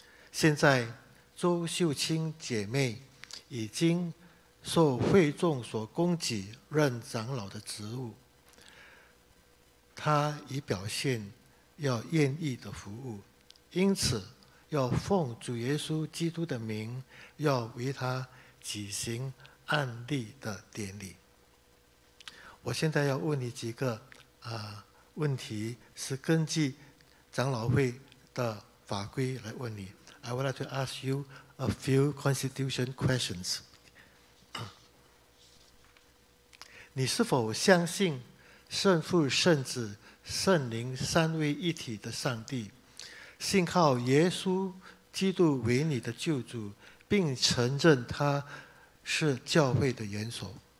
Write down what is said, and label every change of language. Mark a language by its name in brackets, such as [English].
[Chinese] 现在周秀清姐妹已经受会众所供给任长老的职务，他已表现要愿意的服务，因此要奉主耶稣基督的名，要为他举行按例的典礼。我现在要问你几个问题，是根据长老会的法规来问你。 [English] I would like to ask you a few constitution questions. [Chinese] 你是否相信圣父、圣子、圣灵三位一体的上帝，信靠耶稣基督为你的救主，并承认他是教会的元首？